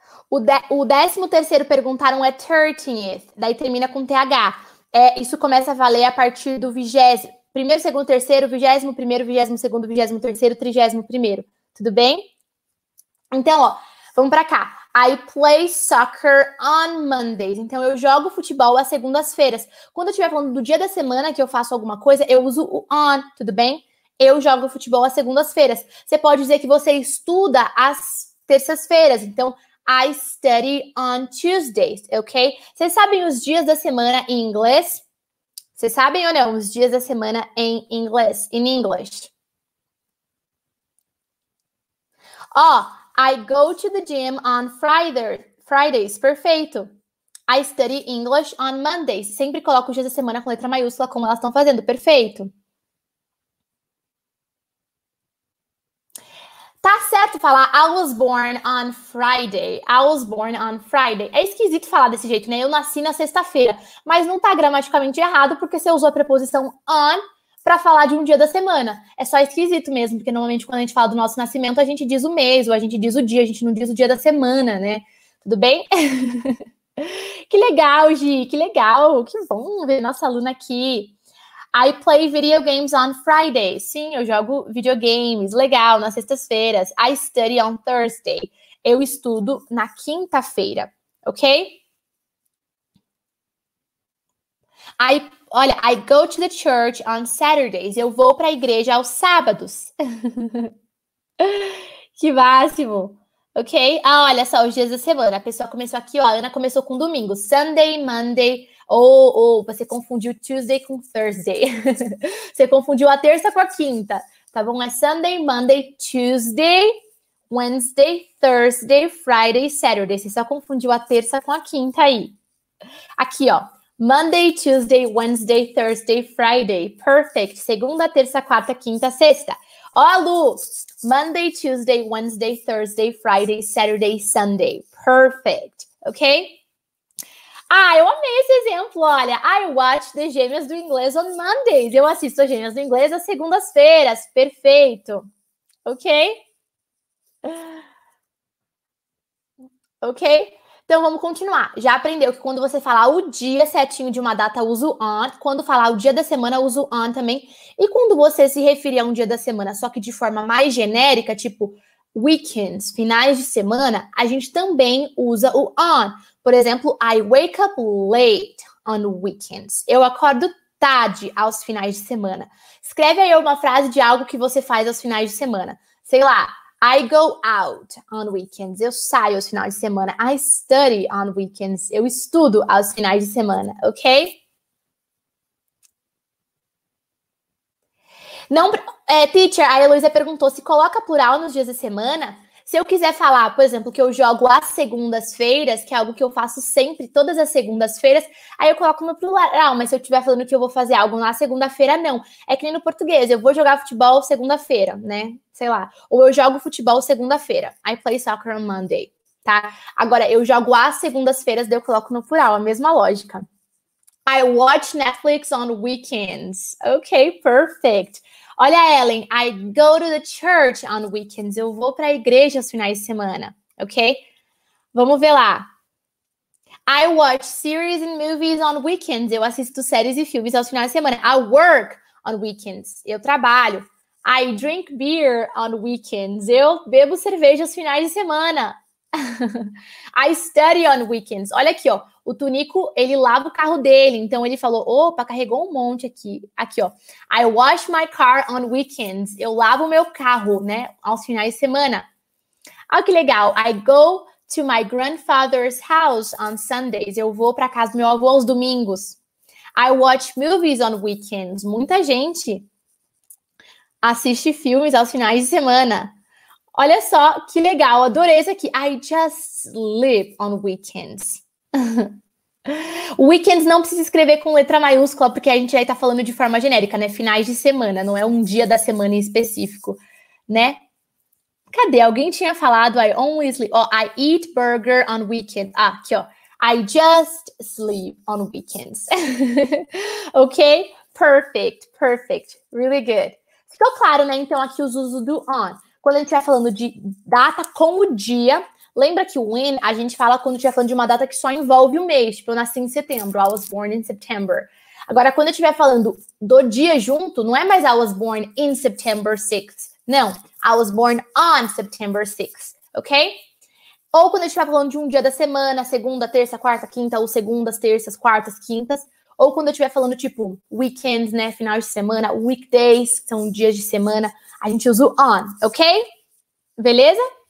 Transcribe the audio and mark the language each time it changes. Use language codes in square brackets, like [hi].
[pt] O 13º perguntaram é 13th, daí termina com TH. É, isso começa a valer a partir do 20º. Primeiro, segundo, terceiro, 21º, 22º, 23º, 31º. Tudo bem? Então, ó, vamos para cá. [en] I play soccer on Mondays. [pt] Então, eu jogo futebol às segundas-feiras. Quando eu estiver falando do dia da semana que eu faço alguma coisa, eu uso o on, tudo bem? Eu jogo futebol às segundas-feiras. Você pode dizer que você estuda às terças-feiras. [en] Então, I study on Tuesdays, ok? [pt] Vocês sabem os dias da semana em inglês? Vocês sabem ou não os dias da semana em inglês? [en] In English. Ó, I go to the gym on Fridays, perfeito. I study English on Mondays. [pt] Sempre coloco os dias da semana com letra maiúscula, como elas estão fazendo, perfeito. Tá certo falar [en] I was born on Friday. I was born on Friday. [pt] É esquisito falar desse jeito, né? Eu nasci na sexta-feira. Mas não tá gramaticalmente errado porque você usou a preposição on para falar de um dia da semana. É só esquisito mesmo, porque normalmente quando a gente fala do nosso nascimento, a gente diz o mês, ou a gente diz o dia, a gente não diz o dia da semana, né? Tudo bem? Que legal, Gi, que legal. Que bom ver nossa aluna aqui. [en] I play video games on Friday. [pt] Sim, eu jogo videogames. Legal, nas sextas-feiras. [en] I study on Thursday. [pt] Eu estudo na quinta-feira. Ok? [en] Olha, I go to the church on Saturdays. [pt] Eu vou para a igreja aos sábados. Que máximo. Ok? Ah, olha só, os dias da semana. A pessoa começou aqui, ó. A Ana começou com domingo. Sunday, Monday. Ou você confundiu Tuesday com Thursday. Você confundiu a terça com a quinta, tá bom? [en] É Sunday, Monday, Tuesday, Wednesday, Thursday, Friday, Saturday. [pt] Você só confundiu a terça com a quinta aí. Aqui, ó. [en] Monday, Tuesday, Wednesday, Thursday, Friday. Perfect. [pt] Segunda, terça, quarta, quinta, sexta. Ó, Lu. [en] Monday, Tuesday, Wednesday, Thursday, Friday, Saturday, Sunday. [pt] Perfect. Ok? Ah, eu amei esse exemplo, olha. [en] I watch the Gêmeas do Inglês on Mondays. [pt] Eu assisto as Gêmeas do Inglês às segundas-feiras. Perfeito. Ok? Então vamos continuar. Já aprendeu que quando você falar o dia certinho de uma data, uso on. Quando falar o dia da semana, uso on também. E quando você se referir a um dia da semana, só que de forma mais genérica, tipo weekends, finais de semana, a gente também usa o on. Por exemplo, [en] I wake up late on weekends. [pt] Eu acordo tarde aos finais de semana. Escreve aí uma frase de algo que você faz aos finais de semana. Sei lá, [en] I go out on weekends. [pt] Eu saio aos finais de semana. [en] I study on weekends. [pt] Eu estudo aos finais de semana, ok? Não, teacher, a Heloísa perguntou se coloca plural nos dias da semana. Se eu quiser falar, por exemplo, que eu jogo às segundas-feiras, que é algo que eu faço sempre, todas as segundas-feiras, aí eu coloco no plural. Mas se eu estiver falando que eu vou fazer algo na segunda-feira, não. É que nem no português, eu vou jogar futebol segunda-feira, né? Sei lá. Ou eu jogo futebol segunda-feira. [en] I play soccer on Monday, tá? [pt] Agora, eu jogo às segundas-feiras, daí eu coloco no plural, a mesma lógica. [en] I watch Netflix on weekends. Ok, perfect. Olha, Ellen, I go to the church on weekends. [pt] Eu vou para a igreja aos finais de semana, ok? Vamos ver lá. [en] I watch series and movies on weekends. [pt] Eu assisto séries e filmes aos finais de semana. [en] I work on weekends. [pt] Eu trabalho. [en] I drink beer on weekends. [pt] Eu bebo cerveja aos finais de semana. [en] I study on weekends. [pt] Olha aqui, ó. O Tunico, ele lava o carro dele. Então, ele falou, opa, carregou um monte aqui. Aqui, ó. [en] I wash my car on weekends. [pt] Eu lavo meu carro, né, aos finais de semana. Olha que legal. [en] I go to my grandfather's house on Sundays. [pt] Eu vou para casa do meu avô aos domingos. [en] I watch movies on weekends. [pt] Muita gente assiste filmes aos finais de semana. Olha só que legal. Adorei isso aqui. [en] I just sleep on weekends. [pt] Weekends não precisa escrever com letra maiúscula, porque a gente aí tá falando de forma genérica, né? Finais de semana, não é um dia da semana em específico, né? Cadê? Alguém tinha falado [en] I only sleep. Oh, I eat burger on weekends. Ah, aqui, ó. I just sleep on weekends. Ok? Perfect, perfect. Really good. [pt] Ficou claro, né? Então, aqui os usos do on. Quando a gente estiver falando de data com o dia, lembra que o when a gente fala quando estiver falando de uma data que só envolve o mês. Tipo, eu nasci em setembro. [en] I was born in September. [pt] Agora, quando eu estiver falando do dia junto, não é mais [en] I was born in September 6th. [pt] Não. [en] I was born on September 6th. Ok? [pt] Ou quando a gente estiver falando de um dia da semana, segunda, terça, quarta, quinta, ou segundas, terças, quartas, quintas. Ou quando eu estiver falando, tipo, weekends, né? Final de semana, weekdays, que são dias de semana. A gente usa o on, ok? Beleza?